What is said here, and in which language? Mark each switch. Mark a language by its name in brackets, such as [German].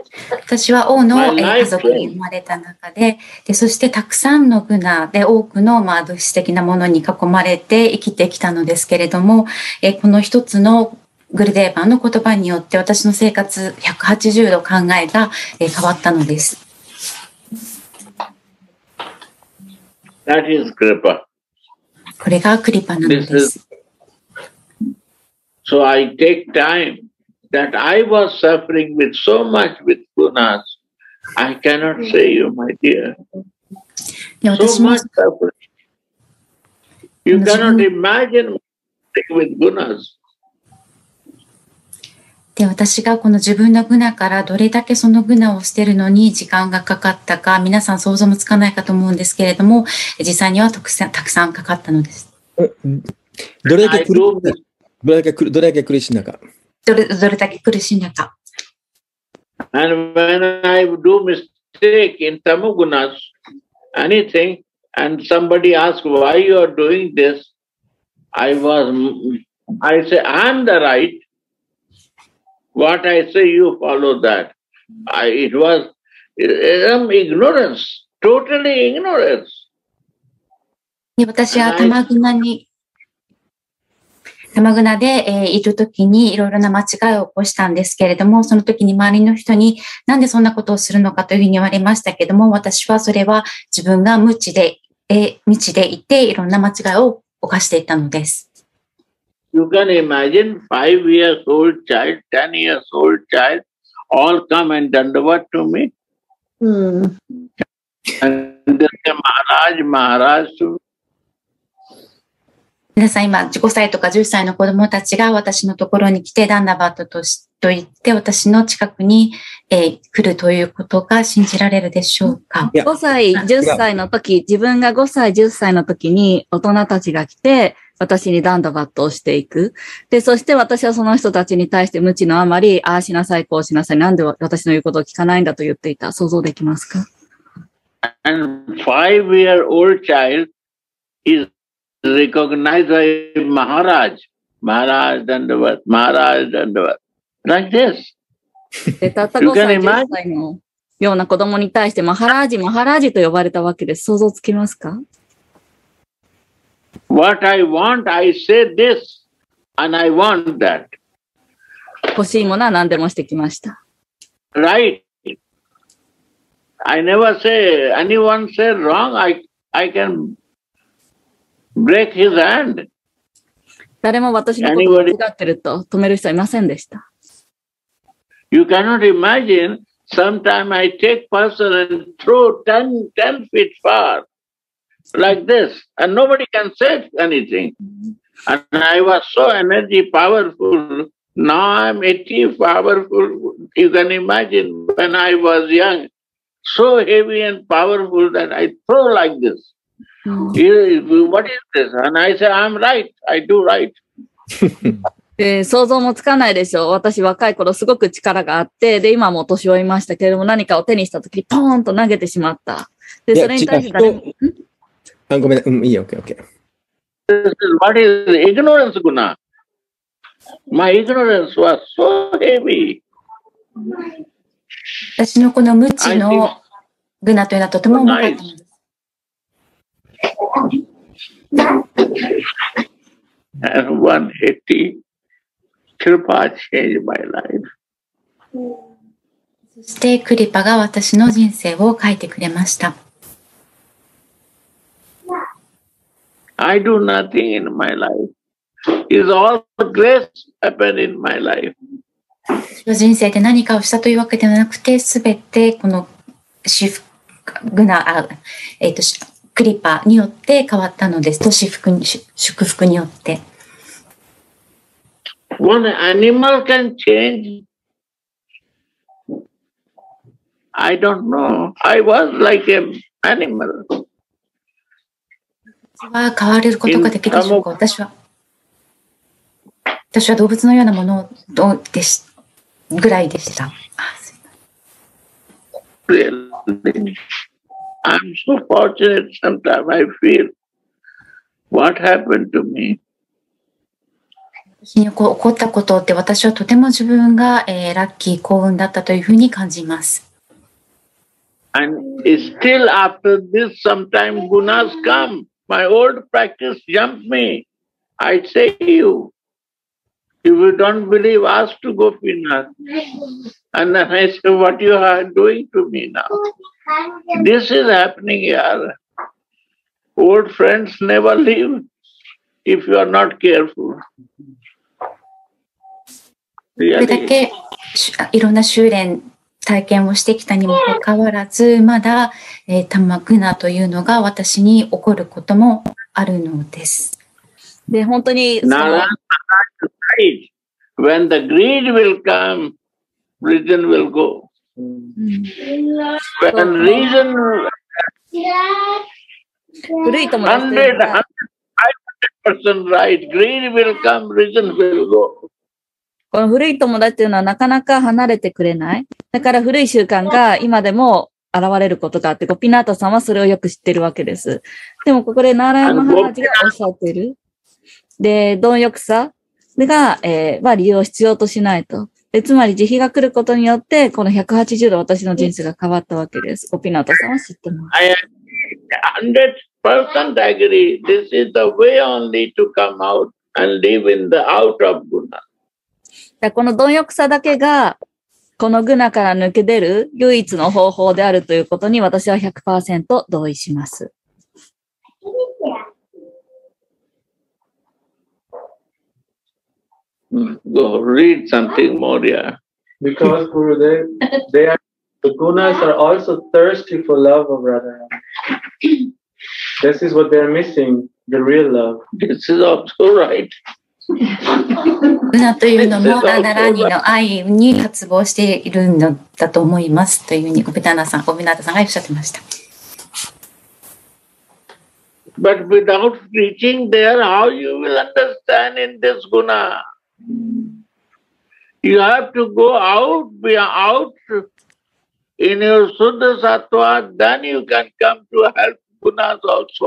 [Japanese] 私は王の家族に生まれた中 で、そしてたくさんのグナで多くの、まあ、物質的なものに囲まれて生きてきたのですけれども、この一つのグルデーバーの言葉によって私の生活180度考えが、変わったのです。 [English] That is Kripa. [Japanese] これがクリパなのです。 [English] So I take time that I was suffering with so much with gunas. I cannot say you, my dear. So much suffering. You cannot imagine suffering with gunas. [Japanese] で、私がこの自分のグナからどれだけそのグナを捨てるのに時間がかかったか、皆さん想像もつかないかと思うんですけれども、実際にはたくさんかかったのです。どれだけ苦労どれだけ苦しんだか。どれだけ苦しんだか。 [English] And when I do mistake in tamogunas, anything, and somebody asks why you are doing this, I say, I'm the right. What I say, you follow that. It was ignorance, totally ignorance. [Japanese] 私は玉グナでいるときにいろいろな間違いを起こしたんですけれども、そのときに周りの人になんでそんなことをするのかというふうに言われましたけれども、私はそれは自分が無知でいていろんな間違いを犯していたのです。 [English] You can imagine 5 years old child, 10 years old child all come and done what to me?、And then Maharaj, Maharaj to me. [Japanese] 皆さん今15歳とか10歳の子供たちが私のところに来てダンダバットと言って私の近くに、来るということが信じられるでしょうか。 5歳10歳の時、自分が5歳10歳の時に大人たちが来て私にダンダバットをしていく。で、そして私はその人たちに対して無知のあまり、ああしなさい、こうしなさい、なんで私の言うことを聞かないんだと言っていた。想像できますか？ [English] And 5-year old child isRecognize Maharaj, Maharaj Dandavat, Maharaj Dandavat, like this. You can imagine. [Japanese] ような子供に対してマハラージマハラージと呼ばれたわけです。想像つきますか？ [English] What I want, I say this, and I want that. [Japanese] 欲しいものは何でもしてきました。 [English] Right. I never say anyone say wrong. I can. Break his hand. [Japanese] 誰も私のことを間違ってると止める人はいませんでした。 [English] You cannot imagine, sometimes I take person and throw 10 feet far, like this, and nobody can say anything. And I was so energy powerful, now I'm 80 powerful. You can imagine when I was young, so heavy and powerful that I throw like this. What is this? And I say, I'm right. I do right. [Japanese] 想像もつかないでしょう。私若い頃すごく力があって、で、今も年老いましたけれども、何かを手にしたとき、ポーンと投げてしまった。で、それに対して誰も。ごめん、いいよ、OK、OK。 [English] What is ignorance, Guna? My ignorance was so heavy. [Japanese] 私のこの無知のグナというのはとても重かったんです。 [English] And 180 Kripa changed my life. [Japanese] そしてクリパが私の人生を変えてくれました。 [English] I do nothing in my life. It's all grace happened in my life. [Japanese] 私の人生で何かをしたというわけではなくて、すべてこのシフグナクリパによって変わったのです。祝福によって。 [English] One animal can change. I don't know. I was like an animal. [Japanese] 私は変われることができるでしょうか。私は動物のようなものをぐらいでした。 [English] Really? I'm so fortunate sometimes I feel what happened to me. [Japanese] 私に起こったことって私はとても自分が、ラッキー幸運だったというふうに感じます。 [English] And still after this, sometimes gunas come. My old practice jumped me. I say you. If you don't believe, ask to Gopinath. And then I say, what you are doing to me now? This is happening here. Old friends never leave if you are not careful. [Japanese] それだけいろんな修練体験をしてきたにもかかわらず、まだタマグナというのが私に起こることもあるのです。で、本当に。 [English] When the greed will come, religion will go. When reason, [Japanese] 古いと思います。 [English] 100, 100, 100% right. Green will come, reason will go. [Japanese] この古い友達というのはなかなか離れてくれない。だから古い習慣が今でも現れることがあって、ゴピナータさんはそれをよく知ってるわけです。でもここでナーラヤマハラジがおっしゃってる。で、貪欲さが、は理由を必要としないと。で、つまり慈悲が来ることによって、この180度私の人生が変わったわけです。ゴピナータさんは知ってます。 [English] I agree. 100% agree. This is the way only to come out and live in the out of Guna. [Japanese] この貪欲さだけがこのグナから抜け出る唯一の方法であるということに私は 100% 同意します。 [English] Go read something more, yeah. Because Gurudev, they are, the Gunas are also thirsty for love of Radharani. This is what they are missing, the real love. This is also right. [Japanese] グナというのもラダラニの愛に渇望しているのだと思いますというふうにゴピナータさんがおっしゃってました。 [English] But without preaching there, how you will understand in this guna? You have to go out, be out in your Shuddha Sattva, then you can come to help gunas also.